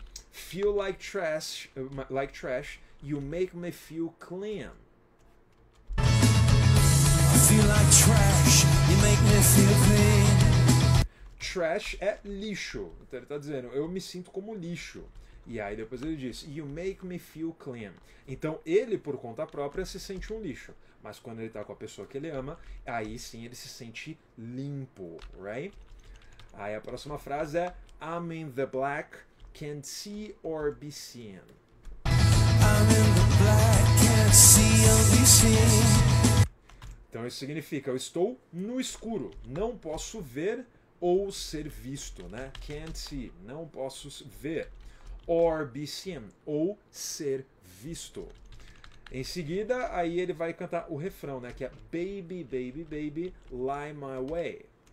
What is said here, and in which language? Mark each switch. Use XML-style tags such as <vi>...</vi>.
<en>Feel like trash, you make me feel clean. Feel like trash, you make me feel clean.</en> <pt>Trash é lixo, então ele está dizendo, eu me sinto como lixo. E aí depois ele diz, you make me feel clean. Então ele, por conta própria, se sente um lixo. Mas quando ele tá com a pessoa que ele ama, aí sim ele se sente limpo, right? Aí a próxima frase é, I'm in the black, can't see or be seen.</pt> <en>I'm in the black, can't see or be seen.</en> <pt>Então isso significa, eu estou no escuro, não posso ver ou ser visto, né? Can't see, não posso ver. Or be seen, ou ser visto. Em seguida, aí ele vai cantar o refrão, né? Que é Baby, baby, baby, lie my way.</pt>